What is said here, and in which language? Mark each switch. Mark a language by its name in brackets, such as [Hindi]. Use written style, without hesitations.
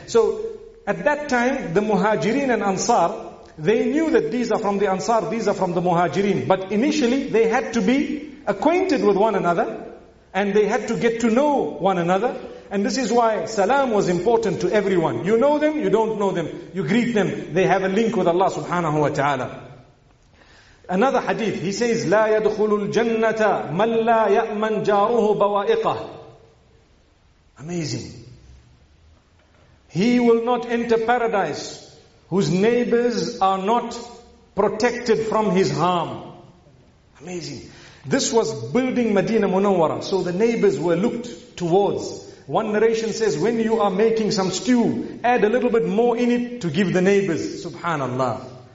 [English] So at that time, the Muhajirin and Ansar, they knew that these are from the Ansar, these are from the Muhajirin. But initially, they had to be acquainted with one another, and they had to get to know one another. And this is why salam was important to everyone. You know them, you don't know them. You greet them, they have a link with Allah subhanahu wa ta'ala. Another hadith, he says, [Arabic] لا يدخل الجنة من لا يأمن جاره بوائقه. [English] Amazing. He will not enter paradise whose neighbors are not protected from his harm. Amazing. This was building Medina Munawwara, so the neighbors were looked towards. One narration says, when you are making some stew, add a little bit more in it to give the neighbors. Subhanallah.